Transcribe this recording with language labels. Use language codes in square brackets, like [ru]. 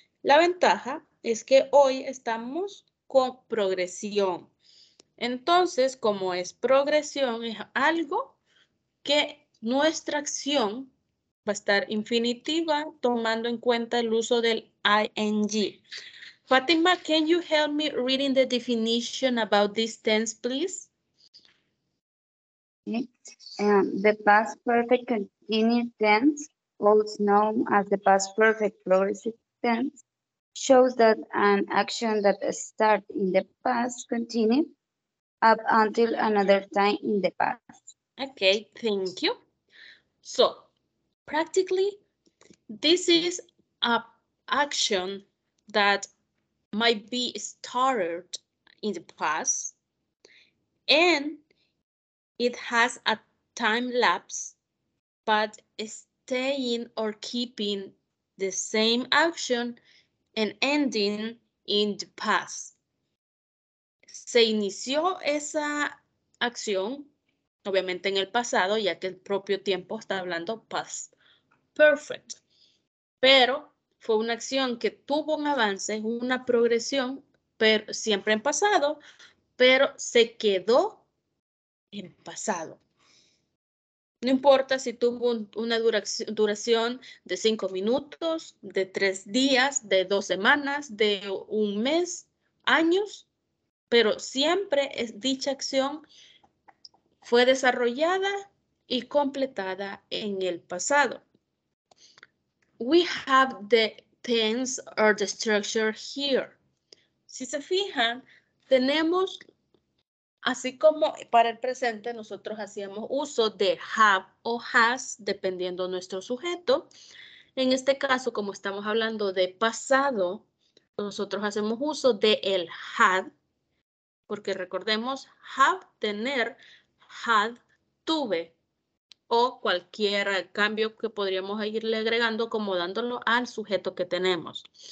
[es] La ventaja es que hoy estamos con progresión. Entonces, como es progresión, es algo que nuestra acción va a estar infinitiva tomando en cuenta el uso del ing. [en] Fatima, can you help me reading the definition about this tense, please? The past perfect continuous tense, also known as the past perfect progressive tense, shows that an action that starts in the past continues up until another time in the past. Okay, thank you. So, practically, this is an action that might be started in the past, and it has a time lapse, but staying or keeping the same action and ending in the past. [es] Se inició esa acción, obviamente en el pasado, ya que el propio tiempo está hablando past perfect. Pero fue una acción que tuvo un avance, una progresión, pero siempre en pasado, pero se quedó en pasado. No importa si tuvo una duración de 5 minutos, de 3 días, de 2 semanas, de 1 mes, años, pero siempre es dicha acción fue desarrollada y completada en el pasado. [en] We have the tense or the structure here. [es] Si se fijan, tenemos, así como para el presente, nosotros hacíamos uso de have o has, dependiendo nuestro sujeto. En este caso, como estamos hablando de pasado, nosotros hacemos uso de el had, porque recordemos, have, tener, had, tuve, o cualquier cambio que podríamos irle agregando, acomodándolo al sujeto que tenemos.